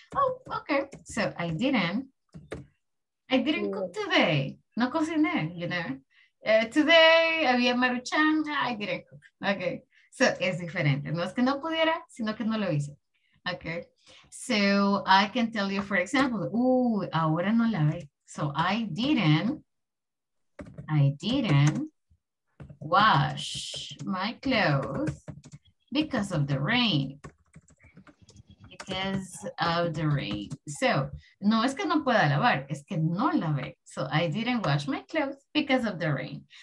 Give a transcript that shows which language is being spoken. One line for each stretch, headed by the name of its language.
English: Oh, okay. So, I didn't cook today.
Spanish: No cociné,
English: you know. Today,
Spanish: había maruchan,
English: I didn't cook. Okay, So
Spanish: es diferente. No es que no pudiera, sino que no lo hice.
English: Okay. So I can tell you, for example,
Spanish: ahora no la ve.
English: So I didn't wash my clothes because of the rain. Because of the rain.
Spanish: So, no es que no pueda lavar, es que no lavé.
English: So, I didn't wash my clothes because of the rain.